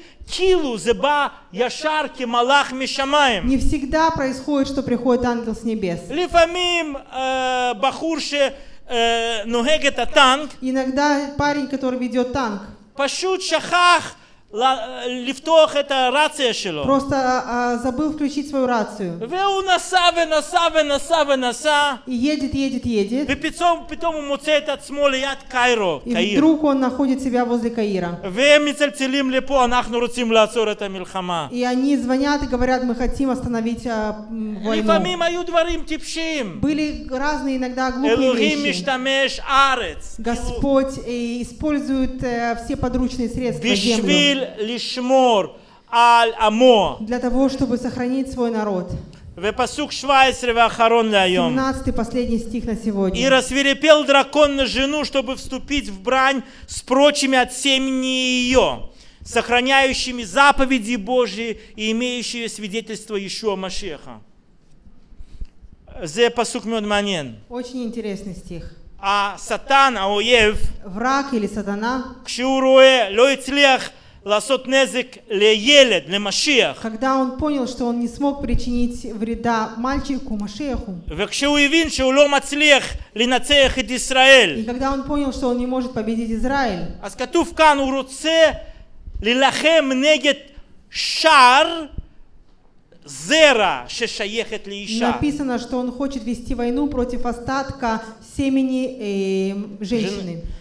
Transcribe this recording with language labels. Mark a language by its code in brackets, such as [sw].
[he] כאילו זה בא ישר כמלאך משמיים. [ru] Не всегда происходит, что приходит ангел с небес. [he] לפעמים בחור שנוהג את הטנק. [ru] Иногда парень, который ведет танк. [he] פשוט שכח לפתוח את הרציה שלו. [ru] Просто забыл включить свою рацию. [he] והוא נסע ונסע ונסע ונסע. [ru] Едет, едет, едет. [he] ופתאום הוא מוצא את עצמו ליד קיירו. [ru] И вдруг он находит себя возле Каира. [he] והם מצלצלים לפה, אנחנו רוצים לעצור את המלחמה. [ru] И они звонят и говорят, мы хотим остановить войну. [he] לפעמים היו דברים טיפשים. [ru] Были разные иногда глупые вещи. [he] Элохим משתמש ארץ. [ru] Господь использует все подручные средства землю. [he] לשמור על עמו. [ru] Для того, чтобы сохранить свой народ. [he] ופסוק 17 ואחרון להיום. [ru] 17-й последний стих на сегодня. И рассвирепел дракон на жену, чтобы вступить в брань с прочими от семени ее, сохраняющими заповеди Божьи и имеющие свидетельство Иешуа Машеха. [he] זה פסוק מאוד מעניין. [ru] Очень интересный стих. [he] А сатан, האויב, [ru] враг или сатана, [he] כשהוא רואה, לא הצליח לעשות נזק לילד, למשיח. [ru] Когда он понял, что он не смог причинить вреда мальчику, Машеху. [he] וכשהוא הבין שהוא לא מצליח לנצח את ישראל. [ru] И когда он понял, что он не может победить Израиль. [he] אז כתוב כאן, הוא רוצה ללחם נגד שער זרע ששייכת לאישה. [ru] Написано, что он хочет вести войну против остатка семени женщины.